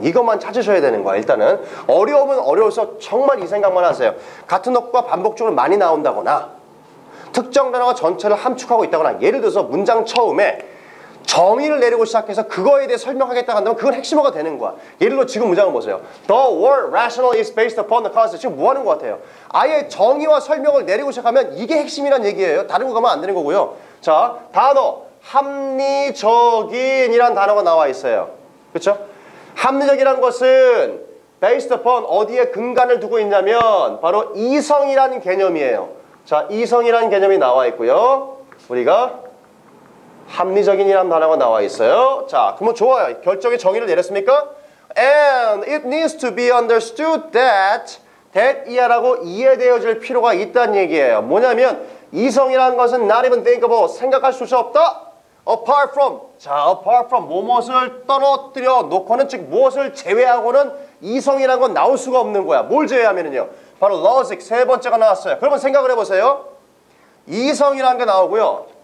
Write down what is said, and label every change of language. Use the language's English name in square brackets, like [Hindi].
[Korean] 이것만 찾으셔야 되는 거야. 일단은 어려우면 어려워서 정말 이 생각만 하세요. 같은 어구가 반복적으로 많이 나온다거나 특정 단어가 전체를 함축하고 있다거나, 예를 들어서 문장 처음에 정의를 내리고 시작해서 그거에 대해 설명하겠다고 한다면 그건 핵심어가 되는 거야. 예를 들어 지금 문장을 보세요. [English] The word rational is based upon the concept. [Korean] 지금 뭐 하는 것 같아요? 아예 정의와 설명을 내리고 시작하면 이게 핵심이란 얘기예요. 다른 거 가면 안 되는 거고요. 자, 단어 합리적인이란 단어가 나와 있어요. 그렇죠? 합리적이란 것은 based upon 어디에 근간을 두고 있냐면 바로 이성이라는 개념이에요. 자, 이성이라는 개념이 나와 있고요. 우리가 합리적인이라는 단어가 나와 있어요. 자, 그러면 좋아요. 결정의 정의를 내렸습니까? [English] And it needs to be understood that [Korean] 이하라고 이해되어질 필요가 있다는 얘기예요. 뭐냐면 이성이라는 것은 [English] not even thinkable, [Korean] 생각할 수 없다. [English] Apart from, 자, apart from [Korean] 무엇을 떨어뜨려 놓고는, 즉 무엇을 제외하고는 이성이라는 건 나올 수가 없는 거야. 뭘 제외하면요? 바로 logic, 세 번째가 나왔어요. 그러면 생각을 해보세요. 이성이라는 게 나오고요.